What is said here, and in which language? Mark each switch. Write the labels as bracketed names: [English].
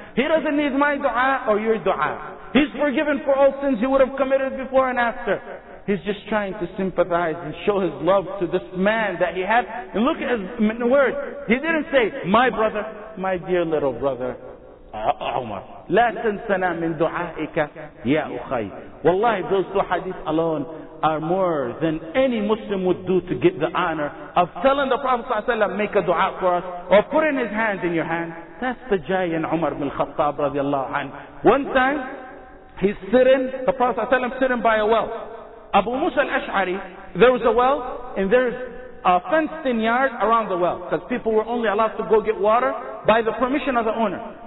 [English] He doesn't need my dua or your dua. He's forgiven for all sins he would have committed before and after. He's just trying to sympathize and show his love to this man that he had. And look at his words. He didn't say, my brother, my dear little brother, Umar. [Arabic] لا تنسنا من دعائك يا أخي. Wallahi, [English] those 2 hadith alone are more than any Muslim would do to get the honor of telling the Prophet sallallahu alaihi wasallam, make a dua for us, or putting his hand in your hand. That's the giant Umar bin Khattab radiallahu anhu. One time, he's sitting, the Prophet sallallahu alaihi wasallam sitting by a well. Abu Musa al-Ash'ari, there was a well, and there's a fenced in yard around the well, because people were only allowed to go get water by the permission of the owner.